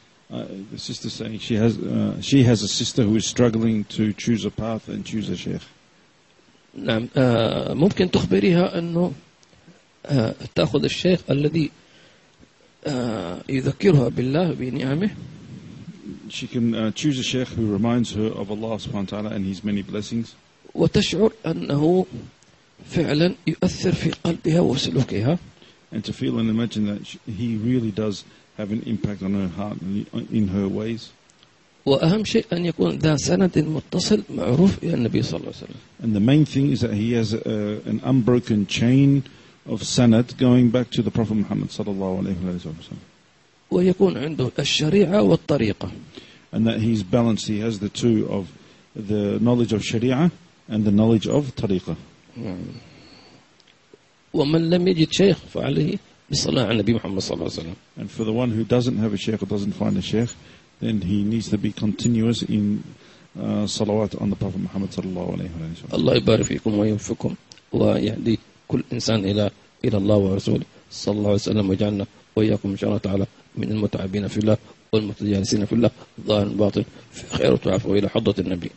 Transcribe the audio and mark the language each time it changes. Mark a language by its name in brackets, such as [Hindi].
[English] The sister saying she has a sister who is struggling to choose a path and choose a sheikh. [Arabic] نعم ممكن تخبريها انه تاخذ الشيخ الذي يذكرها بالله بنعمه. [English] She can choose a sheikh who reminds her of Allah subhanahu wa ta'ala and his many blessings. [Arabic] وتشعر انه فعلا يؤثر في قلبها وسلوكها. [English] And to feel and imagine that he really does have an impact on her heart and in her ways. [Arabic] وأهم شيء أن يكون ذا سند متصل معروف إلى النبي صلى الله عليه وسلم. [English] And the main thing is that he has an unbroken chain of sanad going back to the Prophet Muhammad [Arabic] صلى الله عليه وسلم. ويكون عنده الشريعة والطريقة. [English] And that he's balanced. He has the two of the knowledge of Sharia and the knowledge of طريقة. [Arabic] ومن لم يجد شيخ فعليه بالصلاة على النبي محمد صلى الله عليه وسلم. [English] And for the one who doesn't have a sheikh or doesn't find a sheikh, then he needs to be continuous in salawat on the Prophet Muhammad [Arabic] صلى الله عليه وسلم. الله يبارك فيكم ويوفقكم ويهدي كل إنسان إلى الله ورسوله صلى الله عليه وسلم وجعلنا وإياكم إن شاء الله تعالى من المتعبين في الله والمتجالسين في الله ظاهر باطن في خير وعفو إلى حضرة النبي.